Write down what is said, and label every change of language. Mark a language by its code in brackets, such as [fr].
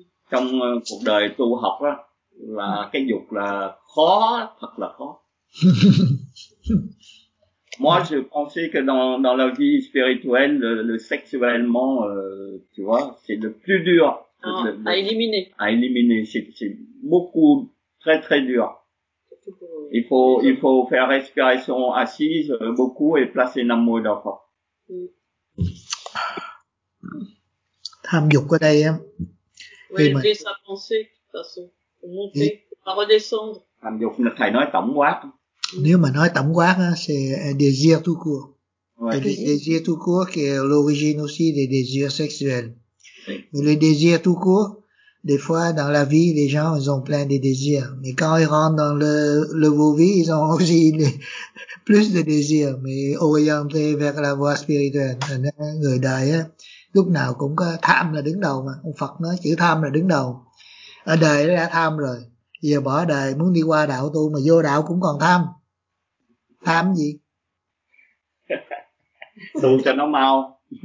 [vi] Trong cuộc đời tu học đó, là cái dục là khó, thật là khó. [fr] Moi, je pensais que dans la vie spirituelle, le sexuellement, tu vois, c'est le plus dur. À éliminer. À éliminer, c'est beaucoup, très très dur. Il faut faire respiration assise beaucoup et placer Nam Mô Đà Phật. [vi] Tham dục ở đây em. [fr] Oui, mais... laisser sa pensée, de toute façon, pour monter, pas redescendre. [vi] Tham dục, thầy nói tổng quát. Nếu mà nói tổng quát, [fr] c'est un désir tout court. Ouais. Le désir tout court qui est l'origine aussi des désirs sexuels. Ouais. Mais le désir tout court, des fois dans la vie, les gens, ils ont plein de désirs. Mais quand ils rentrent dans le vovie, ils ont aussi plus de désirs, mais orientés vers la voie spirituelle. [vi] Người đời, lúc nào cũng có tham là đứng đầu mà. Ông Phật nói chữ tham là đứng đầu. Ở đời đã tham rồi. Giờ bỏ đời muốn đi qua đạo tu mà vô đạo cũng còn tham. Tham gì? Tu cho nó mau.